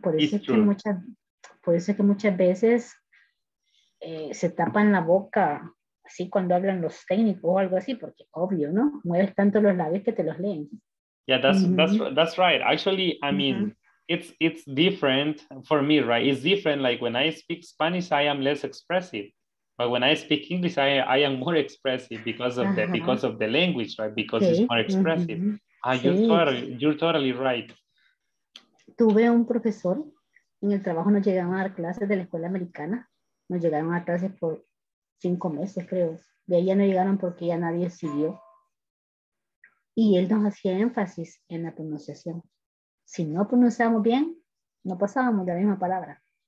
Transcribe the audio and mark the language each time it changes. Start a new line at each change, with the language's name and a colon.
Spanish: Por eso es que muchas veces se tapan la boca así cuando hablan los técnicos o algo así, porque obvio, ¿no? Mueves tanto los labios que te los leen.
English: Yeah, that's right. Actually, I mean, it's different for me, right? It's different. Like when I speak Spanish, I am less expressive. But when I speak English, I am more expressive because of the language, right? Because it's more expressive. Mm-hmm. You're totally right.
Spanish: Tuve un profesor, en el trabajo nos llegaron a dar clases de la escuela americana. Nos llegaron a clases por 5 meses, creo. De ahí ya no llegaron porque ya nadie siguió. Y él nos hacía énfasis en la pronunciación. Si no pronunciamos bien, no pasábamos de la misma palabra.